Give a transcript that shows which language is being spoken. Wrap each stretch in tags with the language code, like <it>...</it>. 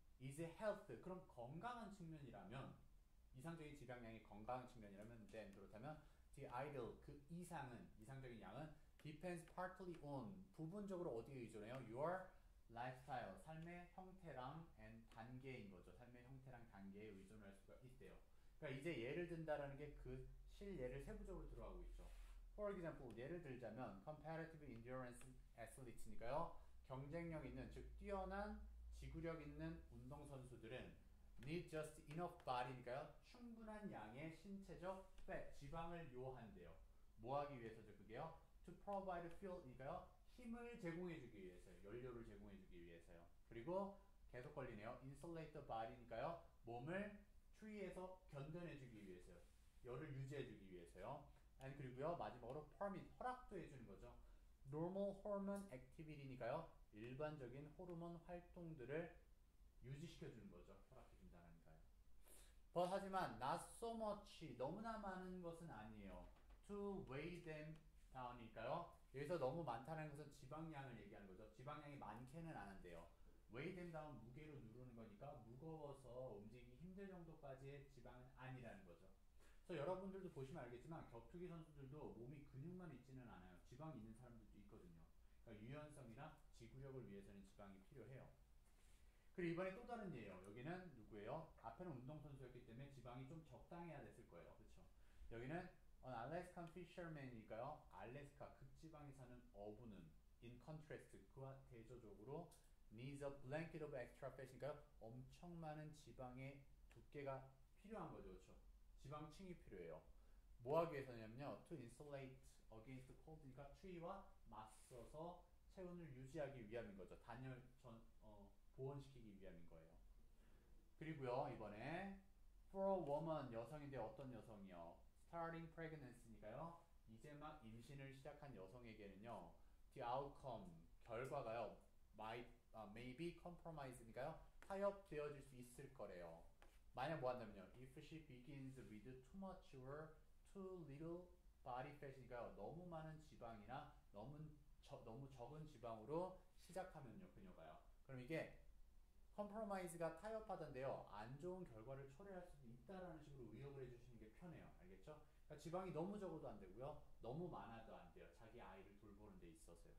<ko>is health, 그럼 건강한 측면이라면, 이상적인 지방량이 건강한 측면이라면, then, 그렇다면, the ideal, 그 이상은, 이상적인 양은, depends partly on, 부분적으로 어디에 의존해요? your lifestyle, 삶의 형태랑 and 단계인 거죠. 삶의 형태랑 단계에 의존할 수가 있대요. 그러니까 이제 예를 든다라는 게 그 실례를 세부적으로 들어가고 있죠.</ko> <en>For example, 예를 들자면 Comparative Endurance Athlete니까요.</en> <ko>경쟁력 있는, 즉 뛰어난 지구력 있는 운동선수들은 Need just enough body 니까요. 충분한 양의 신체적 fat, 지방을 요한대요. 뭐 하기 위해서죠, 그게요?</ko> <en>To provide fuel니까요.</en> <ko>힘을 제공해주기 위해서요. 연료를 제공해주기 위해서요. 그리고 계속 걸리네요.</ko> <en>Insulate the body니까요.</en> <ko>몸을 추위에서 견뎌내주기 위해서요. 열을 유지해주기 위해서요. And 그리고요. 마지막으로 permit, 허락도 해주는 거죠.</ko> <en>Normal hormone activity니까요.</en> <ko>일반적인 호르몬 활동들을 유지시켜주는 거죠. 허락해준다니까요. But 하지만 not so much, 너무나 많은 것은 아니에요.</ko> <en>To weigh them down이니까요.</en> <ko>여기서 너무 많다는 것은 지방량을 얘기하는 거죠. 지방량이 많게는 안 한대요. Weigh them down, 무게로 누르는 거니까 무거워서 움직이기 힘들 정도까지의 지방은 아니라는 거죠. 그래서 여러분들도 보시면 알겠지만 격투기 선수들도 몸이 근육만 있지는 않아요. 지방이 있는 사람들도 있거든요. 그러니까 유연성이나 지구력을 위해서는 지방이 필요해요. 그리고 이번에 또 다른 예예요. 여기는 누구예요? 앞에는 운동선수였기 때문에 지방이 좀 적당해야 됐을 거예요. 그렇죠? 여기는 An Alaskan fisherman 이니까요. 알래스카 극지방에 사는 어부는 in contrast 그와 대조적으로 needs a blanket of extra fat 이니까요. 엄청 많은 지방의 두께가 필요한 거죠. 그렇죠? 지방층이 필요해요. 뭐 하기 위해서냐면요. To insulate against cold 이니까 추위와 맞서서 체온을 유지하기 위함인 거죠. 단열 전 보온시키기 위함인 거예요. 그리고요, 이번에 for a woman 여성인데 어떤 여성이요?</ko> <en>Starting pregnancy니까요.</en> <ko>이제 막 임신을 시작한 여성에게는요.</ko> <en>The outcome 결과가요. Maybe compromise니까요.</en> <ko>타협되어질 수 있을 거래요. 만약 뭐 한다면요.</ko> <en>If she begins with too much or too little body fat니까요.</en> <ko>너무 많은 지방이나 너무 적은 지방으로 시작하면요. 그녀가요. 그럼 이게 컴프로마이즈가 타협하던데요. 안 좋은 결과를 초래할 수도 있다라는 식으로 의역을 해주시는 게 편해요. 알겠죠? 그러니까 지방이 너무 적어도 안 되고요. 너무 많아도 안 돼요. 자기 아이를 돌보는 데 있어서요.</ko>